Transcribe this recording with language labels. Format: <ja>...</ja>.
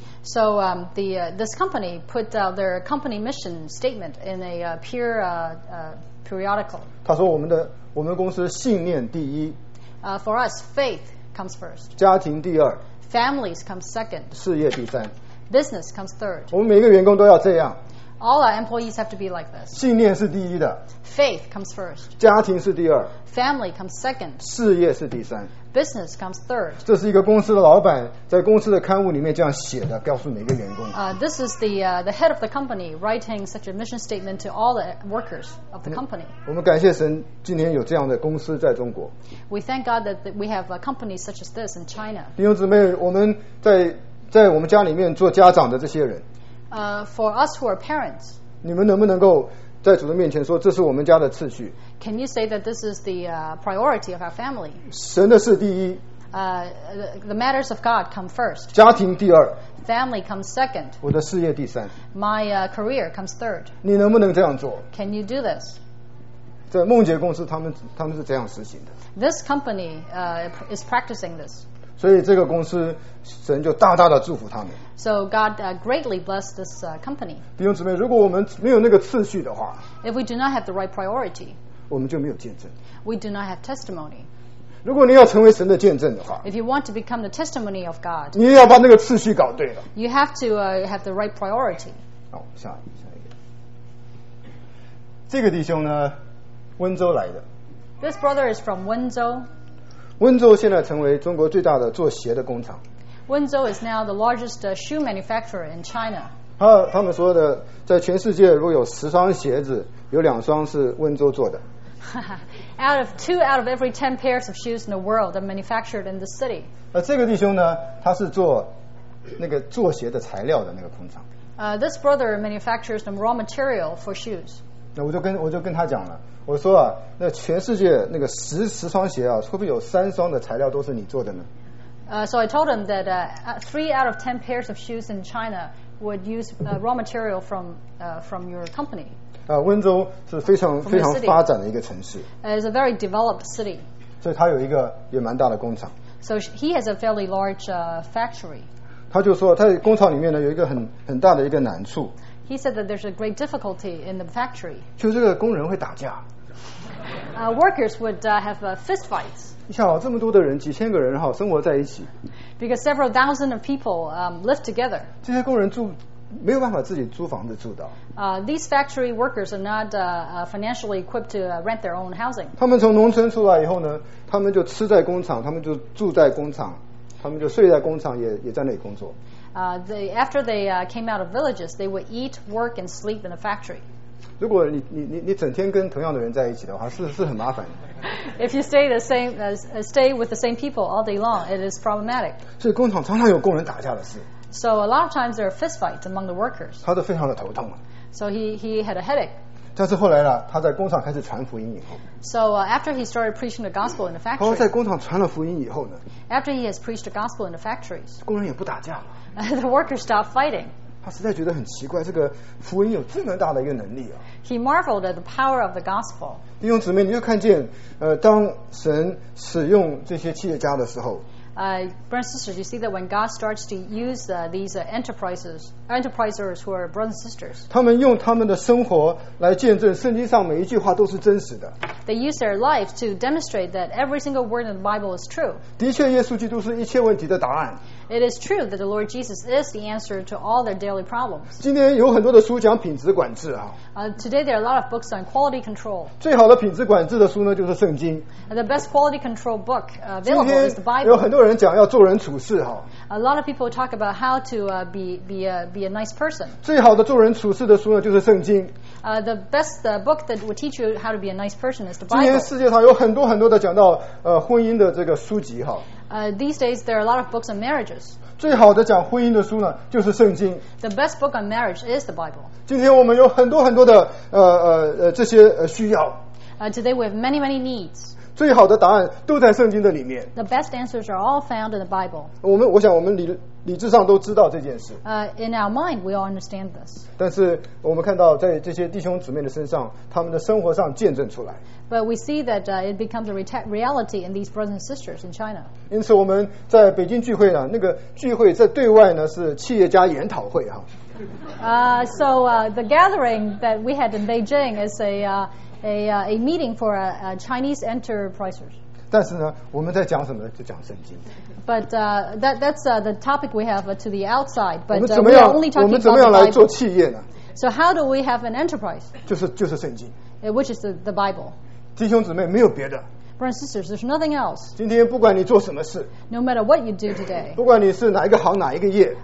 <en>So this company put their company mission statement in a peer periodical.</en> <zh>他说我们公司信念第一。</zh> <en>For us, faith comes first.</en> <zh>家庭第二。</zh> <en>Families come second.</en> <zh>事业第三。</zh> <en>Business comes third.</en> <zh>我们每个员工都要这样。</zh> <en>All our employees have to be like this.</en> <zh>信念是第一的。</zh> <en>Faith comes first.</en> <zh>家庭是第二。</zh> <en>Family comes second.</en> <zh>事业是第三。</zh> <en>Business comes third.</en> <zh>这是一个公司的老板在公司的刊物里面这样写的，告诉每个员工。</zh> <en>This is the head of the company writing such a mission statement to all the workers of the company.</en> <zh>我们感谢神，今天有这样的公司在中国。</zh> <en>We thank God that we have a company such as this in China.</en> <zh>弟兄姊妹，我们在我们家里面做家长的这些人。</zh> <en>For us who are parents.</en> <zh>你们能不能够在主的面前说，这是我们家的次序？</zh> <en>Can you say that this is the priority of our family?</en> <zh>神的是第一。</zh> <en>The matters of God come first.</en> <zh>家庭第二。</zh> <en>Family comes second.</en> <zh>我的事业第三。</zh> <en>My career comes third.</en> <zh>你能不能这样做</zh> <en>？Can you do this?</en> <zh>在梦洁公司，他们是这样实行的。</zh> <en>This company is practicing this.</en> <zh>所以这个公司，神就大大的祝福他们。</zh> <en>So God greatly blessed this company.</en> <zh>弟兄姊妹，如果我们没有那个次序的话</zh> <en>，If we do not have the right priority.</en> <zh>我们就没有见证。</zh> <en>We do not have testimony.</en> <zh>如果你要成为神的见证的话</zh> <en>，If you want to become the testimony of God,</en> <zh>你要把那个次序搞对了。</zh> <en>You have to have the right priority.</en> <zh>好，下一个。这个弟兄呢，温州来的。</zh> <en>This brother is from 温州。</en> <zh>温州现在成为中国最大的做鞋的工厂。</zh> <en>温州 is now the largest shoe manufacturer in China.</en> <zh>他们说的，在全世界如果有十双鞋子，有两双是温州做的。</zh> <en>out of every 10 pairs of shoes in the world are manufactured in the city.</en> <zh>这个弟兄呢，他是做那个做鞋的材料的那个工厂。</zh> <en>This brother manufactures the raw material for shoes.</en> <zh>那我就跟他讲了。我说啊，那全世界那个十双鞋啊，会不会有三双的材料都是你做的呢？</zh> <en>So I told him that three out of 10 pairs of shoes in China would use raw material from your company.</en> <zh>温州是非常非常发展的一个城市。</zh> <en>It's a very developed city.</en> <zh>所以他有一个也蛮大的工厂。</zh> <en>So he has a fairly large factory.</en> <zh>他就说他在工厂里面呢有一个很大的一个难处。</zh> <en>He said that there's a great difficulty in the factory.</en> <zh>就这个工人会打架。</zh> <en>Workers would have fist fights.</en> <zh>你想啊，这么多的人，几千个人哈，生活在一起。</zh> <en>Because several thousand of people live together.</en> <zh>这些工人住没有办法自己租房子住的。</zh> <en>These factory workers are not financially equipped to rent their own housing.</en> <zh>他们从农村出来以后呢，他们就吃在工厂，他们就住在工厂，他们就睡在工厂，也在那里工作。</zh> <en>After they came out of villages, they would eat, work, and sleep in a factory.</en> <zh>如果 你整天跟同样的人在一起的话 是很麻烦的。</zh> <en>If you stay, the same, stay with the same people all day long, it is problematic.</en> <zh>所以工厂常常有工人打架的事。</zh> <en>So a lot of times there are fist fights among the workers.</en> <zh>他都非常的头痛。</zh> <en>So he had a headache.</en> <zh>但是后来呢，他在工厂开始传福音以后。</zh> <en>So after he started preaching the gospel in the factory.</en> <zh>然后在工厂传了福音以后呢。</zh> <en>After he has preached the gospel in the factories.</en> <zh>工人也不打架了。</zh> <en>The workers stopped fighting.</en> <zh>他实在觉得很奇怪，这个福音有这么大的一个能力啊。</zh> <en>He marveled at the power of the gospel.</en> <zh>弟兄姊妹，你就看见，当神使用这些企业家的时候。</zh> <en>Brothers and sisters, you see that when God starts to use these enterprisers who are brothers and sisters,</en> <zh>他们用他们的生活来见证圣经上每一句话都是真实的。</zh> <en>They use their life to demonstrate that every single word in the Bible is true.</en> <zh>的确，耶稣基督是一切问题的答案。</zh> <en>It is true that the Lord Jesus is the answer to all their daily problems.</en> <zh>今天有很多的书讲品质管制啊。</zh> <en>Today there are a lot of books on quality control.</en> <zh>最好的品质管制的书呢，就是圣经。</zh> <en>The best quality control book available is the Bible.</en> <zh>有很多人讲要做人处事哈。</zh> <en>A lot of people talk about how to be a nice person.</en> <zh>最好的做人处事的书呢，就是圣经。</zh> <en>The best book that will teach you how to be a nice person is the Bible.</en> <zh>今天世界上有很多很多的讲到婚姻的这个书籍哈。</zh> <en>These days there are a lot of books on marriages.</en> <zh>最好的讲婚姻的书呢，就是圣经。</zh> <en>The best book on marriage is the Bible.</en> <zh>今天我们有很多很多的这些需要。</zh> <en>Today we have many many needs.</en> <zh>最好的答案都在圣经的里面。</zh> <en>The best answers are all found in the Bible.</en> <zh>我想我们理智上都知道这件事。</zh> <en>In our mind, we all understand this.</en> <zh>但是我们看到在这些弟兄姊妹的身上，他们的生活上见证出来。</zh> <en>But we see that it becomes a reality in these brothers and sisters in China.</en> <zh>因此我们在北京聚会呢，那个聚会在对外呢是企业家研讨会哈。</zh> <en>The gathering that we had in Beijing is a meeting for Chinese enterprisers.</en> <zh>但是呢，我们在讲什么？就讲圣经。</zh> <en>But that's the topic we have to the outside. But</en> <zh>我们怎么样来做企业呢？</zh> <en>So how do we have an enterprise?</en> <zh>就是圣经。</zh> <en>Which is the Bible.</en> <zh>弟兄姊妹，没有别的。</zh> <en>Brothers and sisters, there's nothing else.</en> <zh>今天不管你做什么事。</zh> <en>No matter what you do today.</en> <zh>不管你是哪一个行哪一个业。</zh>